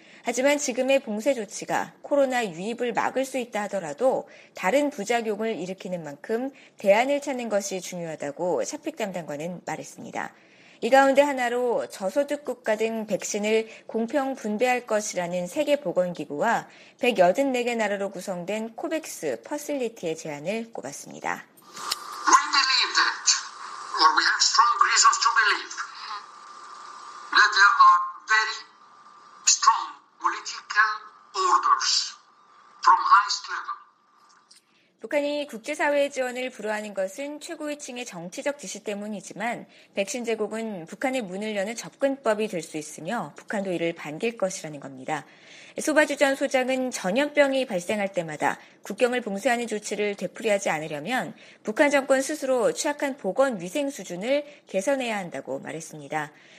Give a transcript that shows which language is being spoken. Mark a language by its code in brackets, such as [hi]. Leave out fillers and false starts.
[ko] 하지만 지금의 봉쇄 조치가 코로나 유입을 막을 수 있다 하더라도 다른 부작용을 일으키는 만큼 대안을 찾는 것이 중요하다고 샤픽 담당관은 말했습니다. 이 가운데 하나로 저소득 국가 등 백신을 공평 분배할 것이라는 세계보건기구와 184개 나라로 구성된 코백스 퍼실리티의 제안을 꼽았습니다. [en] We believe that, or we have strong reasons to believe that there are very strong political orders from highest level. [ko] 북한이 국제사회의 지원을 불허하는 것은 최고위 층의 정치적 지시 때문이지만 백신 제공은 북한의 문을 여는 접근법이 될 수 있으며 북한도 이를 반길 것이라는 겁니다. 소바주 전 소장은 전염병이 발생할 때마다 국경을 봉쇄하는 조치를 되풀이하지 않으려면 북한 정권 스스로 취약한 보건 위생 수준을 개선해야 한다고 말했습니다.